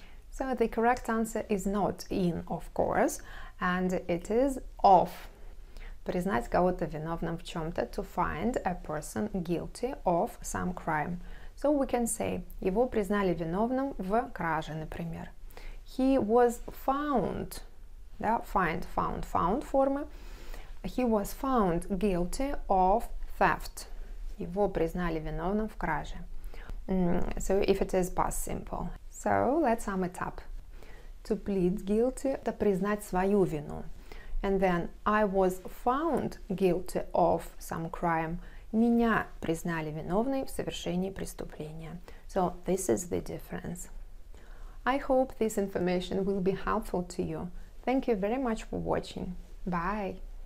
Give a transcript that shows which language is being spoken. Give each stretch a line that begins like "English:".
English: So the correct answer is not in, of course. And it is of.
Russian: Признать кого-то виновным в чем-то.
English: To find a person guilty of some crime. So we can say,
Russian: его признали виновным в краже, например.
English: He was found, да, find, found, found формы. He was found guilty of theft.
Russian: Его признали виновным в краже.
English: So if it is past simple. So let's sum it up. To plead guilty,
Russian: это признать свою вину.
English: And then, I was found guilty of some crime.
Russian: Меня признали виновной в совершении преступления.
English: So, this is the difference. I hope this information will be helpful to you. Thank you very much for watching. Bye!